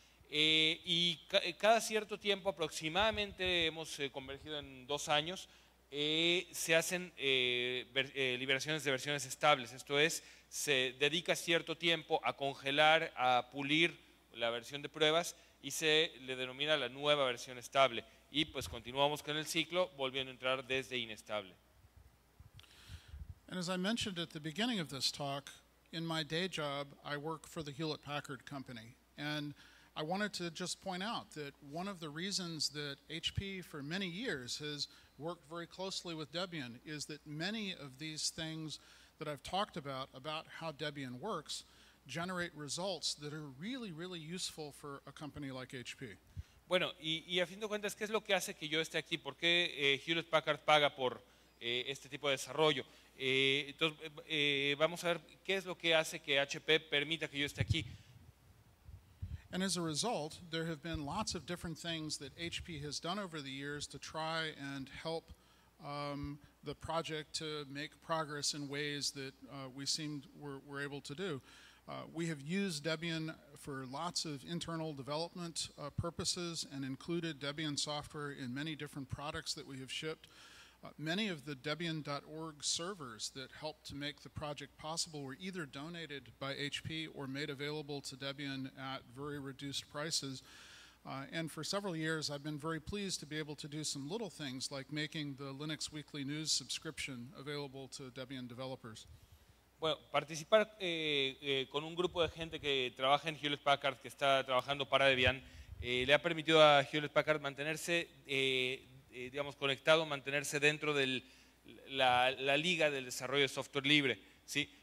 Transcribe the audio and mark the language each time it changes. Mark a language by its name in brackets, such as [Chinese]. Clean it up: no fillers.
[Spanish] Y cada cierto tiempo, aproximadamente hemos convergido en 2 años, se hacen liberaciones de versiones estables. Esto es, se dedica cierto tiempo a congelar, a pulir la versión de pruebas y se le denomina la nueva versión estable. Y pues continuamos con el ciclo, volviendo a entrar desde inestable. [English] And as I mentioned at the beginning of this talk, in my day job, I work for the Hewlett-Packard Company. And I wanted to just point out that one of the reasons that HP for many years has worked very closely with Debian is that many of these things that I've talked about how Debian works, generate results that are really, really useful for a company like HP. [Spanish] Bueno, y a fin de cuentas, ¿qué es lo que hace que yo esté aquí? ¿Por qué Hewlett-Packard paga por este tipo de desarrollo? Entonces, vamos a ver qué es lo que hace que HP permita que yo esté aquí. [English] And as a result, there have been lots of different things that HP has done over the years to try and help the project to make progress in ways that we seemed were able to do. We have used Debian for lots of internal development purposes and included Debian software in many different products that we have shipped. Many of the Debian.org servers that helped to make the project possible were either donated by HP or made available to Debian at very reduced prices. And for several years, I've been very pleased to be able to do some little things like making the Linux Weekly News subscription available to Debian developers. [Spanish] Bueno, participar con un grupo de gente que trabaja en Hewlett-Packard, que está trabajando para Debian, le ha permitido a Hewlett-Packard mantenerse, digamos, conectado, mantenerse dentro de la liga del desarrollo de software libre, ¿sí?